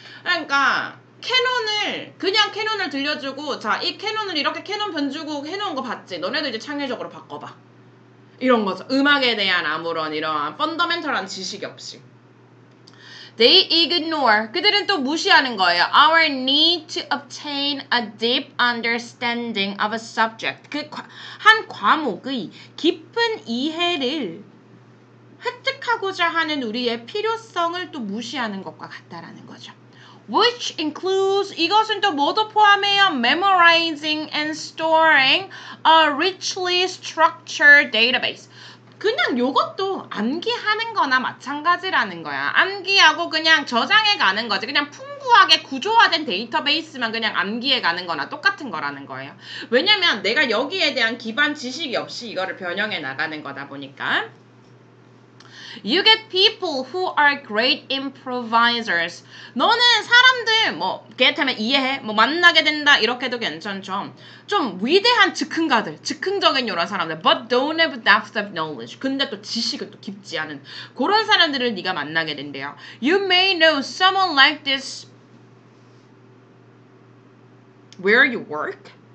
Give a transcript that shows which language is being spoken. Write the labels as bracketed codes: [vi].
[ko] 그러니까, 캐논을 그냥 캐논을 들려주고 자 이 캐논을 이렇게 캐논 변주고 해놓은 거 봤지? 너네도 이제 창의적으로 바꿔봐. 이런 거죠. 음악에 대한 아무런 이런 펀더멘털한 지식이 없이. [en] They ignore. [ko] 그들은 또 무시하는 거예요. [en] Our need to obtain a deep understanding of a subject. [ko] 그 한 과목의 깊은 이해를 획득하고자 하는 우리의 필요성을 또 무시하는 것과 같다라는 거죠. [en] Which includes, [ko] 이것은 또 뭐도 포함해요? [en] Memorizing and storing a richly structured database. [ko] 그냥 이것도 암기하는 거나 마찬가지라는 거야. 암기하고 그냥 저장해 가는 거지. 그냥 풍부하게 구조화된 데이터베이스만 그냥 암기해 가는 거나 똑같은 거라는 거예요. 왜냐면 내가 여기에 대한 기반 지식이 없이 이거를 변형해 나가는 거다 보니까. [en] You get people who are great improvisers. [ko] 너는 사람들 뭐 get 하면 이해해 뭐 만나게 된다 이렇게도 괜찮죠. 좀 위대한 즉흥가들, 즉흥적인 이런 사람들. [en] But don't have depth of knowledge. [ko] 근데 또 지식은 또 깊지 않은 그런 사람들을 네가 만나게 된대요. [en] You may know someone like this where you work.